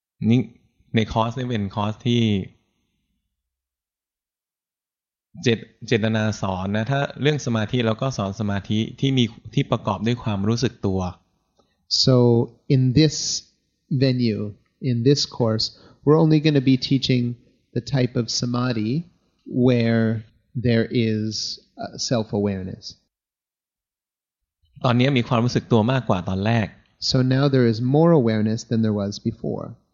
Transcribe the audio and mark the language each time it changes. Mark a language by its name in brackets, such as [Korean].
[Thai] นี่ในคอร์สนี่เป็นคอร์สที่เจตนาสอนนะถ้าเรื่องสมาธิเราก็สอนสมาธิที่ประกอบด้วยความรู้สึกตัว [English] So in this venue, in this course, we're only going to be teaching... the type of samadhi where there is self-awareness. [Thai] ตอนนี้มีความรู้สึกตัวมากกว่าตอนแรก [English] So now there is more awareness than there was before.